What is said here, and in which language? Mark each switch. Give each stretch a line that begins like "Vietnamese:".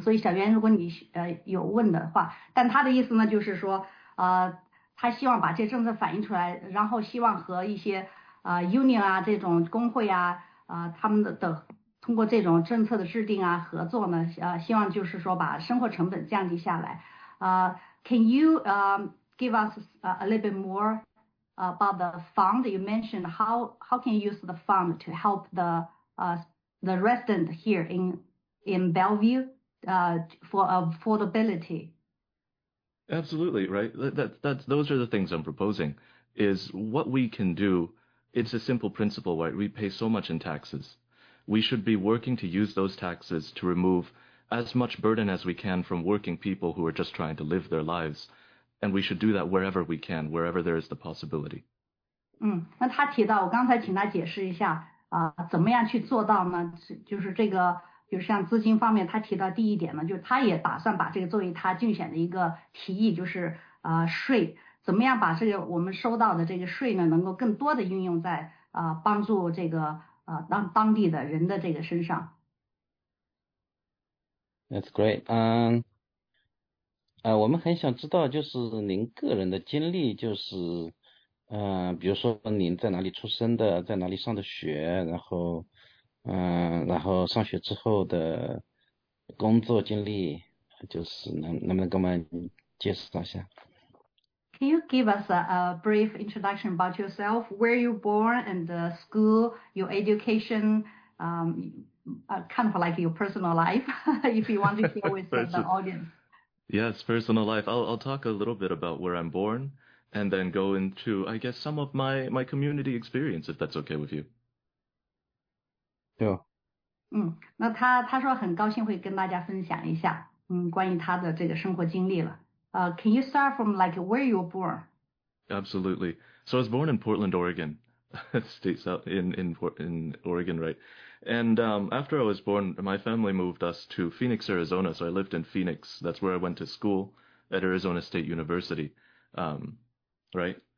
Chinese: 所以小袁，如果你有问的话，但他的意思呢，就是说他希望把这政策反映出来，然后希望和一些union 啊这种工会啊他们的通过这种政策的制定啊合作呢，希望就是说把生活成本降低下来。
English: Can you give us a little bit more about the fund you mentioned? How can you use the fund to help the resident here in Bellevue for affordability? Absolutely, right. Those are the things I'm proposing. Is what we can do. It's a simple principle, right? We pay so much in taxes. We should be working to use those taxes to remove as much burden as we can from working people who are just trying to live their lives. And we should do that wherever we can, wherever there is the possibility.
Chinese: 嗯，那他提到，我刚才请他解释一下啊，怎么样去做到呢？就是这个，就是像资金方面，他提到第一点呢，就是他也打算把这个作为他竞选的一个提议，就是税，怎么样把这个我们收到的这个税呢，能够更多的运用在帮助这个当地的人的这个身上。
English: That's great.
Chinese: 我们很想知道就是您个人的经历，就是比如说您在哪里出生的，在哪里上的学，然后然后上学之后的工作经历，就是能不能给我们介绍一下。
English: Can you give us a brief introduction about yourself? Where you born and the school, your education, kind of like your personal life, if you want to share with the audience. Yes, personal life. I'll talk a little bit about where I'm born and then go into, I guess, some of my community experience, if that's okay with you. Sure.
Chinese: 嗯，那他说很高兴会跟大家分享一下，关于他的这个生活经历了。
English: Can you start from like where you were born? Absolutely. So I was born in Portland, Oregon. States out in Oregon, right? And after I was born, my family moved us to Phoenix, Arizona. So I lived in Phoenix. That's where I went to school at Arizona State University. Right?